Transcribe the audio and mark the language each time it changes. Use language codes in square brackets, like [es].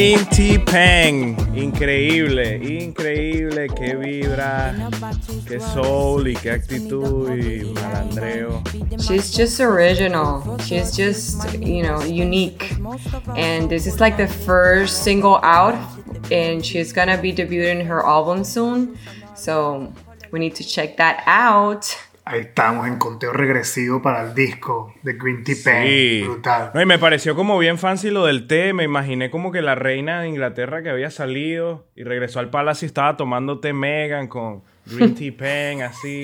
[es] T-Pang, increíble, increíble, qué vibra, qué soul y qué actitud y malandreo. [en] She's just original, she's just, you know, unique. And this is like the first single out and she's gonna be debuting her album soon. So we need to check that out. [es] Ahí estamos en conteo regresivo para el disco de Green Tea Pain. Sí. Brutal. No, y me pareció como bien fancy lo del té. Me imaginé como que la reina de Inglaterra que había salido y regresó al palacio y estaba tomando té Meghan con Green Tea Pain así.